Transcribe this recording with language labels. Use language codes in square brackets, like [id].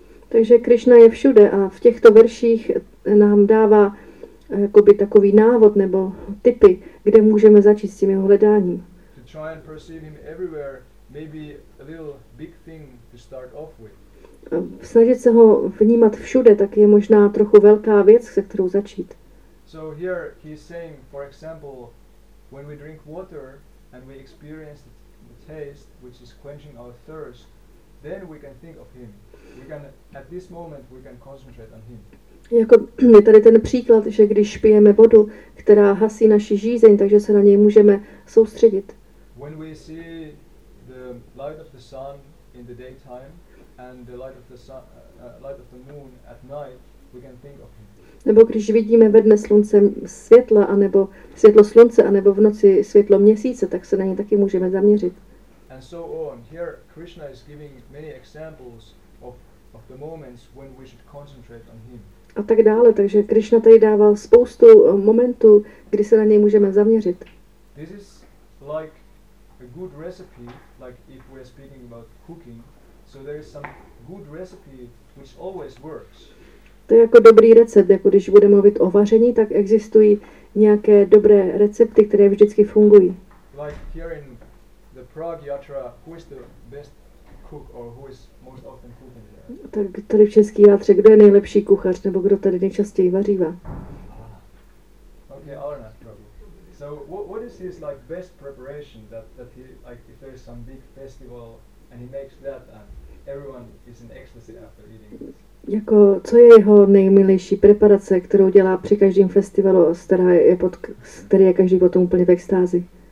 [cs] Takže Krišna je všude a v těchto verších nám dává jakoby takový návod nebo tipy, kde můžeme začít s tím jeho hledáním. [en] To try and perceive him everywhere may be a little big thing to start off with. [cs] Snažit se ho vnímat všude, tak je možná trochu velká věc, se kterou začít. [en] So here he's saying, for example, when we drink water and we experience the taste which is quenching our thirst, then we can think of him. We can at this moment we can concentrate on him. [cs] Jako je tady ten příklad, že když pijeme vodu, která hasí naši žízeň, takže se na něj můžeme soustředit. [en] When we see the light of the sun in the daytime and the light of the sun, light of the moon at night, we can think of him. [cs] Nebo když vidíme ve dne slunce světla, anebo světlo slunce, anebo v noci světlo měsíce, tak se na něj taky můžeme zaměřit. [en] And so on. Here Krishna is giving many examples of the moments when we should concentrate on him. [cs] A tak dále, takže Krišna tady dával spoustu momentů, kdy se na něj můžeme zaměřit. [en] This is like a good recipe, like if we are speaking about cooking, so there is some good recipe which always works. [cs] To je jako dobrý recept, jako když budeme mluvit o vaření, tak existují nějaké dobré recepty, které vždycky fungují. [en] Like here in the Prague Yatra, who is the best cook or who is most often cooking? [cs] Tak tady v České Jatře, kdo je nejlepší kuchař, nebo kdo tady nejčastěji vařívá? [en] Okay, Arna, so what is his like best preparation that he, like if there is some big festival and he makes that and everyone is in ecstasy after eating this? [cs] Jako, co je jeho nejmilejší preparace, kterou dělá při každém festivalu, který je každý potom úplně v extázi?